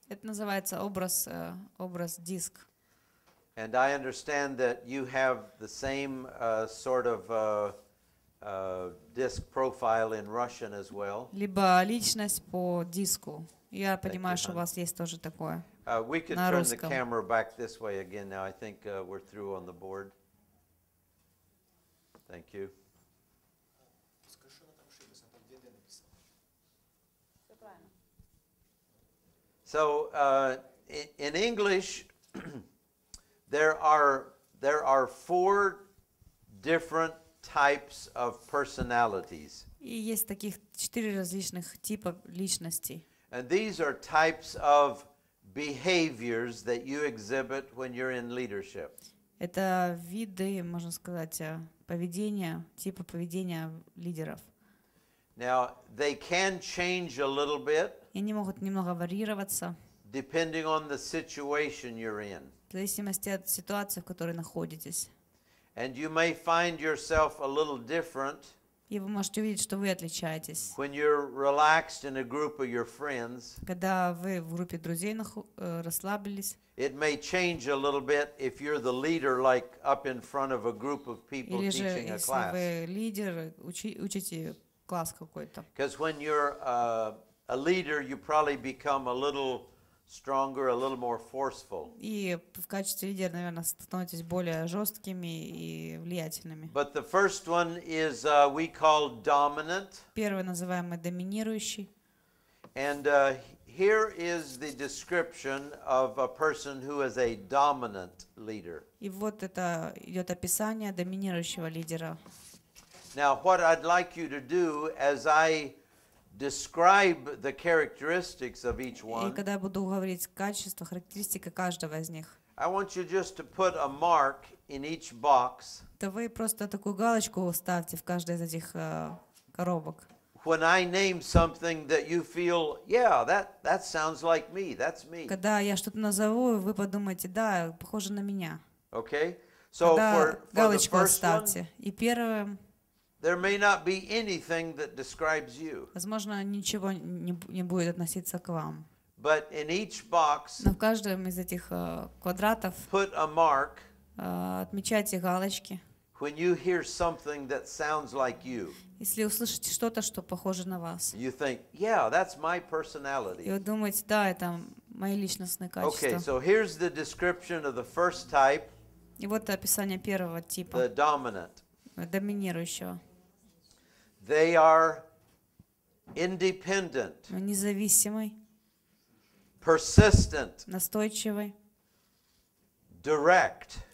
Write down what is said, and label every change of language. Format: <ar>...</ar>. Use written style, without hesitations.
<ru>Это называется образ образ диск.</ru> <en>And I understand that you have the same sort of disc profile in Russian as well.</en> <ru>Либо личность по диску. Я понимаю, что у вас есть тоже такое.</ru> <en>We can</en> <ru>на</ru> <en>turn</en> <ru>русском.</ru> <en>The camera back this way again. Now I think we're through on the board. Thank you. So in English, there are four different types of personalities.</en> <ru>И есть таких четыре различных типа личностей.</ru> <en>And these are types of behaviors that you exhibit when you're in leadership.</en> <ru>Это виды, можно сказать, поведения, типа поведения лидеров.</ru> <en>Now they can change a little bit.</en> <ru>И они могут немного варьироваться.</ru> <en>Depending on the situation you're in.</en> <ru>В зависимости от ситуации, в которой находитесь.</ru> <en>And you may find yourself a little different.</en> <ru>И вы можете увидеть, что вы отличаетесь.</ru> <en>When you're relaxed in a group of your friends.</en> <ru>Когда вы в группе друзей расслабились.</ru> <en>It may change a little bit if you're the leader, like up in front of a group of people</en> <ru>или</ru> <en>teaching a class.</en> <ru>Или же, если вы лидер, учите класс какой-то.</ru> <en>Because when you're a leader, you probably become a little stronger, a little more forceful.</en> <ru>И в качестве лидера, наверное, становитесь более жесткими и влиятельными.</ru> <en>But the first one is we call dominant.</en> <ru>Первый называемый доминирующий.</ru> <en>And here is the description of a person who is a dominant leader.</en> <ru>И вот это идет описание доминирующего лидера.</ru> <en>Now, what I'd like you to do as I describe the characteristics of each one.</en> <ru>И когда я буду говорить качества, характеристики каждого из них.</ru> <en>I want you just to put a mark in each box.</en> <ru>То вы просто такую галочку ставьте в каждой из этих коробок.</ru> <en>When I name something that you feel, yeah, that sounds like me. That's me.</en> <ru>Когда я что-то назову, вы подумаете, да, похоже на меня.</ru> <en>Okay. So</en> <ru>когда</ru> <en>for the first one. There may not be anything that describes you.</en> <ru>Возможно, ничего не будет относиться к вам.</ru> <en>But in each box,</en> <ru>но в каждом из этих квадратов,</ru> <en>put a mark.</en> <ru>Отмечайте галочки.</ru> <en>When you hear something that sounds like you,</en> <ru>если услышите что-то, что похоже на вас,</ru> <en>you think, yeah, that's my personality.</en> <ru>И вы думаете, да, это мои личностные качества.</ru> <en>Okay, so here's the description of the first type.</en> <ru>И вот описание первого типа.</ru> <en>The dominant.</en> <ru>Доминирующего.</ru> <en>They are independent.</en> <ru>Независимый.</ru> <en>Persistent.</en> <ru>Настойчивый.</ru> <en>direct,</en>